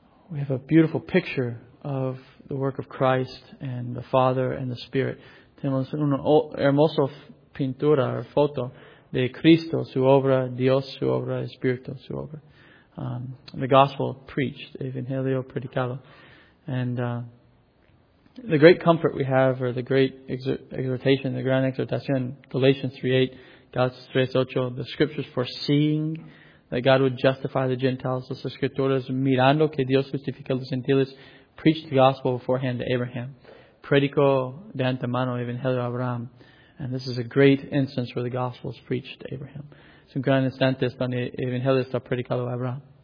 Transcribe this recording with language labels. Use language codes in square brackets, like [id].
[en] We have a beautiful picture of the work of Christ and the Father and the Spirit. [es] Tenemos una hermosa pintura o foto. De Cristo, su obra, Dios, su obra, Espíritu, su obra. [en] The gospel preached, [es] Evangelio predicado. [en] And the great comfort we have, or the great exhortation, the [es] gran exhortación, [en] Galatians 3:8, Galatians 3:8, the scriptures foreseeing that God would justify the Gentiles, [es] las escrituras mirando que Dios justifica los gentiles, [en] preached the gospel beforehand to Abraham. [es] Predicó de antemano Evangelio a Abraham. [en] And this is a great instance where the gospel is preached to Abraham. [es] Es un gran instante donde el evangelio está predicado a Abraham.